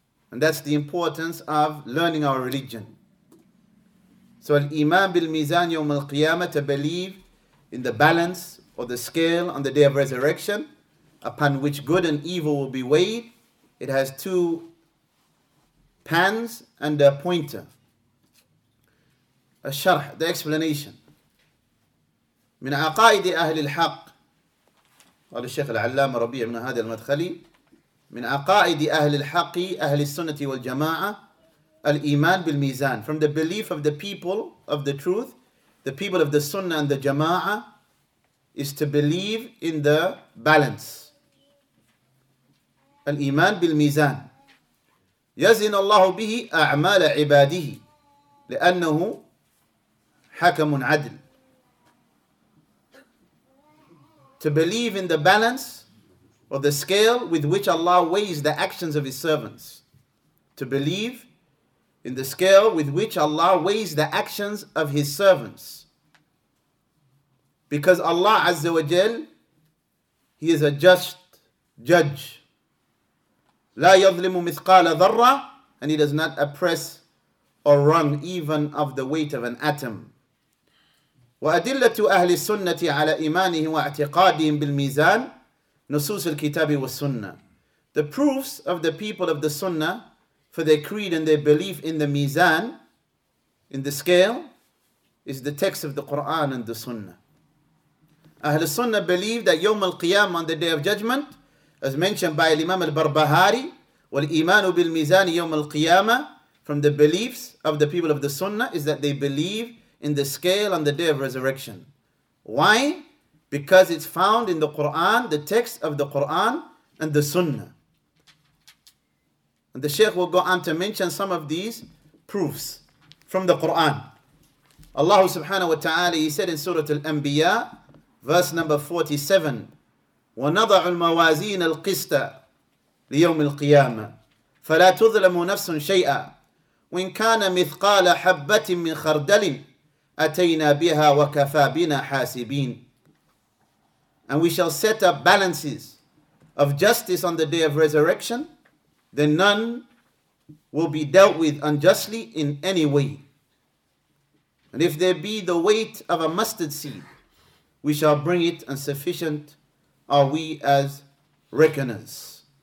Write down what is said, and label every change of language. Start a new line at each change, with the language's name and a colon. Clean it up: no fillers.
English: And that's the importance of learning our religion. So,
Arabic: al-iman bil-mizan yawm al-qiyamah,
English: to believe in the balance or the scale on the day of resurrection, upon which good and evil will be weighed. It has two pans and a pointer. Al-Sharh, the explanation.
Arabic: من عقائد أهل الحق قال الشيخ العلامة ربيع بن هادي المدخلي من عقائد أهل الحق أهل السنة والجماعة الإيمان بالميزان.
English: From the belief of the people of the truth, the people of the sunnah and the jama'ah, is to believe in the balance.
Arabic: Al-Iman bil-Mizan. يَزِنَ اللَّهُ بِهِ أَعْمَالَ عِبَادِهِ لِأَنَّهُ حَكَمٌ عَدْلٌ.
English: To believe in the balance or the scale with which Allah weighs the actions of His servants. To believe in the scale with which Allah weighs the actions of His servants. Because Allah Azza wa Jal, He is a just judge.
Arabic: لا يظلم مثقال ذرة,
English: and He does not oppress or wrong even of the weight of an atom.
Arabic: وأدلة أهل السنة على إيمانه واعتقادهم بالميزان نصوص الكتاب والسنة.
English: The proofs of the people of the Sunnah for their creed and their belief in the Mizan, in the scale, is the text of the Quran and the Sunnah. Ahl al-Sunnah believe that Yawm al-Qiyam on the Day of Judgment, as mentioned by Imam al-Barbahari,
Arabic: وَالْإِيمَانُ بِالْمِيزَانِ يَوْمَ الْقِيَامَةِ,
English: from the beliefs of the people of the Sunnah, is that they believe in the scale on the Day of Resurrection. Why? Because it's found in the Qur'an, the text of the Qur'an and the Sunnah. And the Shaykh will go on to mention some of these proofs from the Qur'an. Allah subhanahu wa ta'ala, he said in Surah Al-Anbiya, verse number 47,
Arabic: وَنَضَعُ الْمَوَازِينَ الْقِسْتَ لِيَوْمِ الْقِيَامَةِ فَلَا تُظْلَمُ نَفْسٌ شَيْئًا وَإِنْ كَانَ مِثْقَالَ حَبَّةٍ مِّنْ خَرْدَلٍ أَتَيْنَا بِهَا وَكَفَى بِنَا حَاسِبِينَ.
English: And we shall set up balances of justice on the Day of Resurrection, then none will be dealt with unjustly in any way. And if there be the weight of a mustard seed, we shall bring it, and sufficient are we as reckoners.